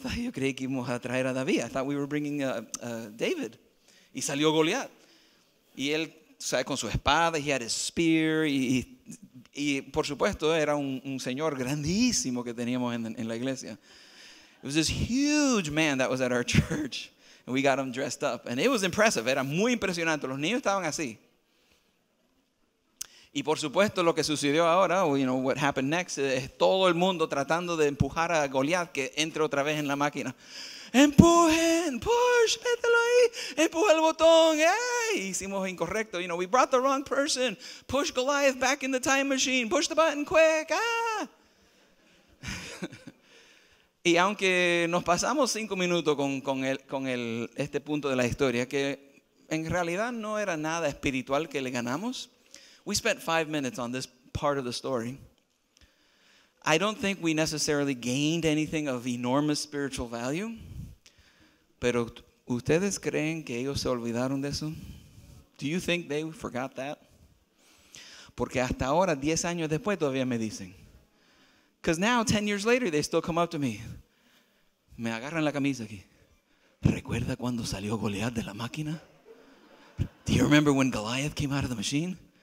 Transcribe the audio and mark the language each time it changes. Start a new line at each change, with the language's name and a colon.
Spanish: Yo creí que íbamos a traer a David.
English: I thought we were bringing David.
Spanish: Y salió Goliat. Y él, sabe, con su espada,
English: he had his spear.
Spanish: Y por supuesto, era un señor grandísimo que teníamos en la iglesia.
English: It was this huge man that was at our church. And we got him dressed up. And it was impressive.
Spanish: Era muy impresionante. Los niños estaban así. Y por supuesto lo que sucedió ahora,
English: you know, what happened next,
Spanish: es todo el mundo tratando de empujar a Goliat que entre otra vez en la máquina. Empujen,
English: push,
Spanish: mételo ahí, empuja el botón, hey, hicimos incorrecto,
English: you know, we brought the wrong person, push Goliath back in the time machine, push the button quick,
Spanish: Y aunque nos pasamos 5 minutos con este punto de la historia, que en realidad no era nada espiritual que le ganamos,
English: we spent 5 minutes on this part of the story. I don't think we necessarily gained anything of enormous spiritual value.
Spanish: Pero, ¿ustedes creen que ellos se olvidaron de eso?
English: Do you think they forgot that?
Spanish: Porque hasta ahora, 10 años después, todavía me dicen.
English: Because now, 10 years later, they still come up to me.
Spanish: Me agarran la camisa aquí. ¿Recuerda cuando salió Goliat de la máquina?
English: Do you remember when Goliath came out of the machine?